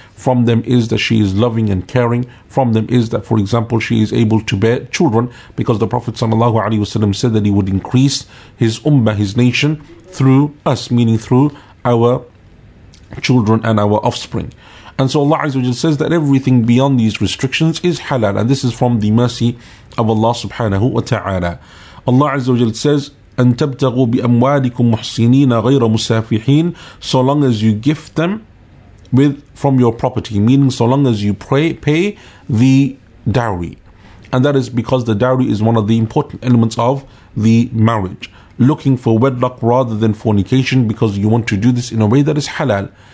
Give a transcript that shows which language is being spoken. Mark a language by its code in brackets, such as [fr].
[en] From them is that she is loving and caring. From them is that, for example, she is able to bear children, because the Prophet sallallahu alaihi wasallam said that he would increase his ummah, his nation, through us, meaning through our children and our offspring. And so Allah Azza wa Jalla says that everything beyond these restrictions is halal, and this is from the mercy of Allah subhanahu wa ta'ala. Allah Azza wa Jalla says, [ar] "أن تبتغوا بأموالكم محسنين غير مسافحين." [en] So long as you gift them with from your property, meaning so long as you pay the dowry, and that is because the dowry is one of the important elements of the marriage. Looking for wedlock rather than fornication, because you want to do this in a way that is halal.